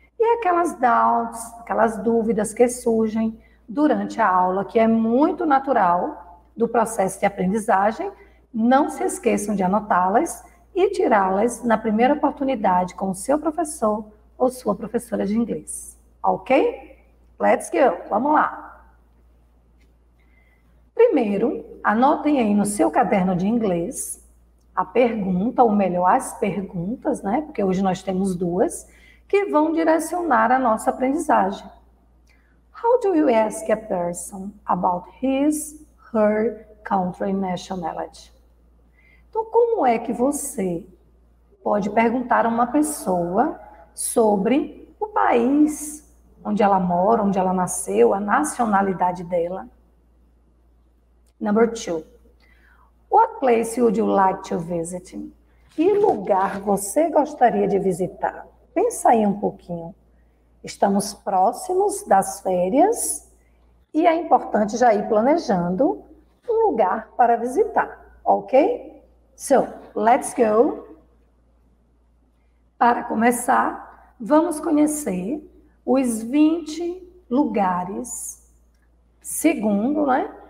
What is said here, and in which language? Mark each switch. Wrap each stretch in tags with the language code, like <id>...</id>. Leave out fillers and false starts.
<pt>E aquelas doubts, aquelas dúvidas que surgem durante a aula, que é muito natural do processo de aprendizagem, não se esqueçam de anotá-las e tirá-las na primeira oportunidade com o seu professor ou sua professora de inglês. Ok?</pt> <en>Let's go!</en> <pt>Vamos lá! Primeiro, anotem aí no seu caderno de inglês a pergunta, ou melhor, as perguntas, né? Porque hoje nós temos duas, que vão direcionar a nossa aprendizagem.</pt> <en>How do you ask a person about his/her country nationality?</en> <pt>Então, como é que você pode perguntar a uma pessoa sobre o país onde ela mora, onde ela nasceu, a nacionalidade dela?</pt> <en>Number two, what place would you like to visit?</en> <pt>Que lugar você gostaria de visitar? Pensa aí um pouquinho. Estamos próximos das férias e é importante já ir planejando um lugar para visitar, ok?</pt> <en>So, let's go.</en> <pt>Para começar, vamos conhecer os 20 lugares, segundo, né?</pt>